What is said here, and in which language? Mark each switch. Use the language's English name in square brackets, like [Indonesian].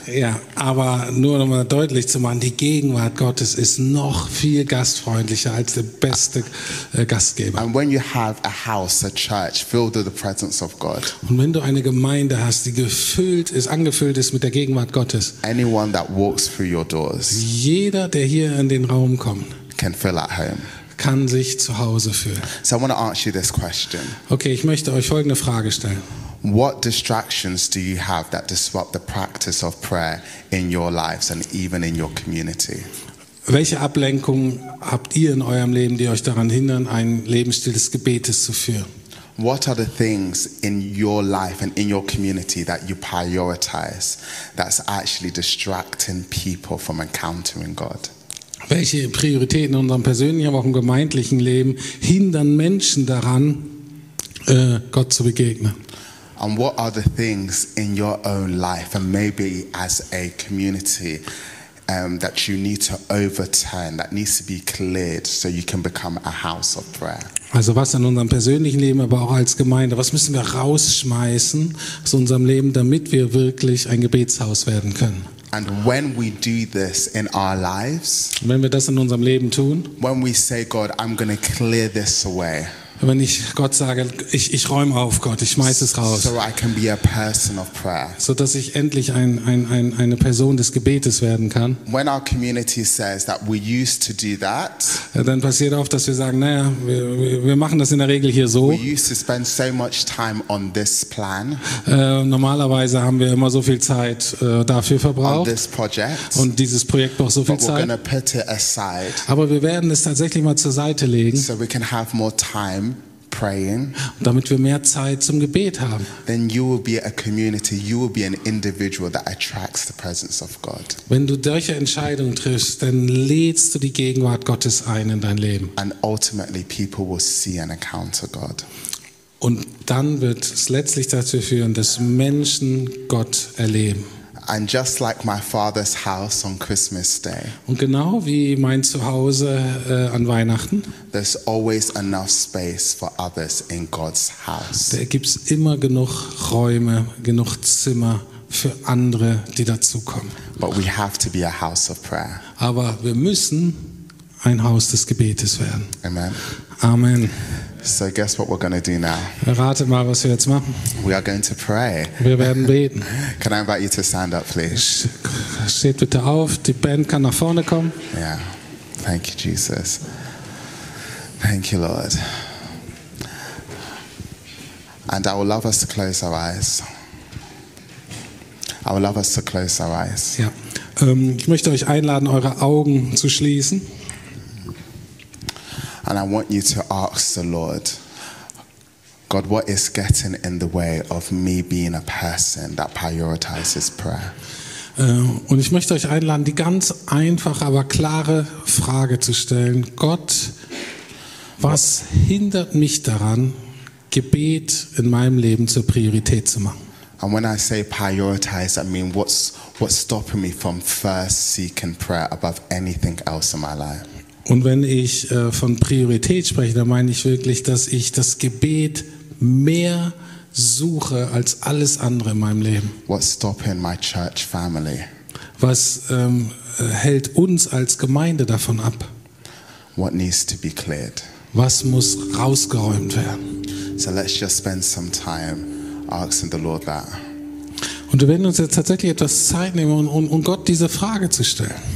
[German] Ja, aber nur um mal deutlich zu machen, die Gegenwart Gottes ist noch viel gastfreundlicher als der beste Gastgeber. [English] And when you have a house, a church filled with the presence of God. [German] Und wenn du eine Gemeinde hast, die angefüllt ist mit der Gegenwart Gottes. [English] Anyone that walks through your doors. [German] Jeder, der hier in den Raum kommt, [English] can feel at home. [German] Kann sich zu Hause fühlen. [English] So I want to ask you this question. [German] Okay, ich möchte euch folgende Frage stellen. [English] What distractions do you have that disrupt the practice of prayer in your lives and even in your community? [German] Welche Ablenkungen habt ihr in eurem Leben, die euch daran hindern, einen Lebensstil des Gebetes zu führen? [English] What are the things in your life and in your community that you prioritize that's actually distracting people from encountering God? [German] Welche Prioritäten in unserem persönlichen, aber auch im gemeindlichen Leben hindern Menschen daran, Gott zu begegnen? [English] And what are the things in your own life and maybe as a community that you need to overturn, that needs to be cleared, so you can become a house of prayer? [German] Also was in unserem persönlichen Leben, aber auch als Gemeinde, was müssen wir rausschmeißen aus unserem Leben, damit wir wirklich ein Gebetshaus werden können? [English] And when we do this in our lives, [German] wenn wir das in unserem Leben tun, [English] when we say, God, I'm going to clear this away, [German] wenn ich Gott sage, ich räume auf, Gott, ich schmeiß es raus, [English] so I can be a person of prayer, [German] so dass ich endlich eine Person des Gebetes werden kann, [English] when our community says that we used to do that, [German] dann passiert oft, dass wir sagen, naja, wir machen das in der Regel hier so. [English] We used to spend so much time on this plan, [German] normalerweise haben wir immer so viel Zeit dafür verbraucht, [English] on this project, [German] und dieses Projekt braucht so viel Zeit, [English] but we're gonna put it aside, [German] aber wir werden es tatsächlich mal zur Seite legen, [English] so we can have more time praying, [German] damit wir mehr Zeit zum Gebet haben. [English] Then you will be a community, you will be an individual that attracts the presence of God. [German] Wenn du solche Entscheidungen triffst, dann lädst du die Gegenwart Gottes ein in dein Leben. [English] And ultimately people will see and encounter God. [German] Und dann wird es letztlich dazu führen, dass Menschen Gott erleben. [English] And just like my father's house on Christmas Day. [German] Und genau wie mein Zuhause an Weihnachten. [English] There's always enough space for others in God's house. [German] Da gibt's immer genug Räume, genug Zimmer für andere, die dazukommen. [English] But we have to be a house of prayer. [German] Aber wir müssen ein Haus des Gebetes werden. [English] Amen. [German] Amen. [English] So guess what we're going to do now. [German] Rate mal, was wir jetzt machen. [English] We are going to pray. [German] Wir werden beten. [English] Can I invite you to stand up, please? [German] Steht bitte auf. Die Band kann nach vorne kommen. [English] Yeah. Thank you, Jesus. Thank you, Lord. And I would love us to close our eyes. I would love us to close our eyes. [German] Ja. Ich möchte euch einladen, eure Augen zu schließen. [English] And I want you to ask the Lord, God, what is getting in the way of me being a person that prioritizes prayer? [German] Und ich möchte euch einladen, die ganz einfache, aber klare Frage zu stellen. Gott, was hindert mich daran, Gebet in meinem Leben zur Priorität zu machen? [English] And when I say prioritize, I mean what's stopping me from first seeking prayer above anything else in my life? [German] Und wenn ich von Priorität spreche, dann meine ich wirklich, dass ich das Gebet mehr suche als alles andere in meinem Leben. [English] What's stopping my church family? [German] Was hält uns als Gemeinde davon ab? [English] What needs to be cleared? [German] Was muss rausgeräumt werden? [English] So let's just spend some time asking the Lord that. [German] Und wir werden uns jetzt tatsächlich etwas Zeit nehmen, um Gott diese Frage zu stellen.